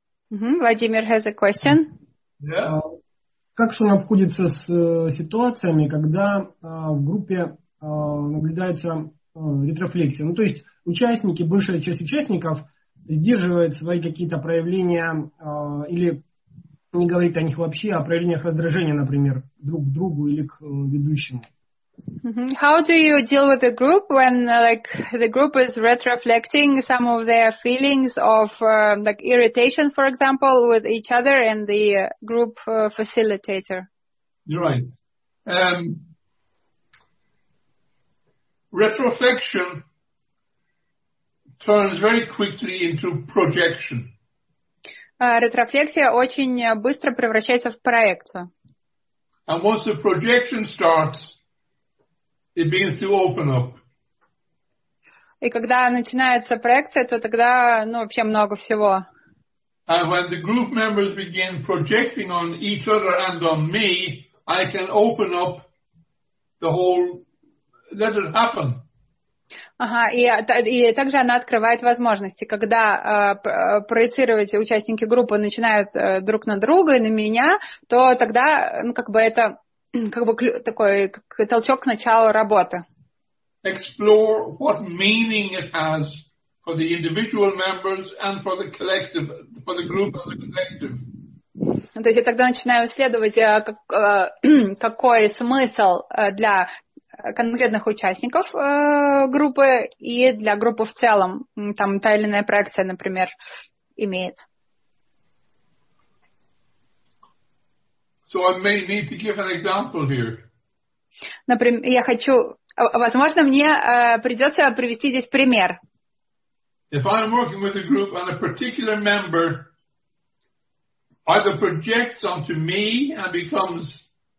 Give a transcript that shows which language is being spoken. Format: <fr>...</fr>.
<en>Владимир has a question. Yeah.</en> <ru>Как Шон обходится с ситуациями, когда в группе наблюдается ретрофлексия? Ну, то есть участники, большая часть участников сдерживает свои какие-то проявления или не говорит о них вообще, о проявлениях раздражения, например, друг к другу или к ведущему.</ru> <en>How do you deal with the group when, like, the group is retroflecting some of their feelings of, like, irritation, for example, with each other and the group facilitator? You're right. Retroflection turns very quickly into projection.</en> <ru>Ретрофлексия очень быстро превращается в проекцию.</ru> <en>And once the projection starts, it begins to open up.</en> <ru>И когда начинается проекция, то тогда, ну, вообще много всего.</ru> <en>And when the group members begin projecting on each other and on me, I can open up the whole, let it happen.</en> <ru>Ага, и также она открывает возможности. Когда проецировать участники группы начинают друг на друга и на меня, то тогда, ну, как бы это... Как бы такой как толчок к началу работы.</ru> <en>Explore what meaning it has for the individual members and for the collective, for the group as a collective.</en> <ru>То есть я тогда начинаю исследовать, какой смысл для конкретных участников группы и для группы в целом. Там та или иная проекция, например, имеет.</ru> <en>So I may need to give an example here.</en> <ru>Например, я хочу, возможно, мне придется привести здесь пример.</ru> <en>If I'm working with a group and a particular member either projects onto me and becomes</en>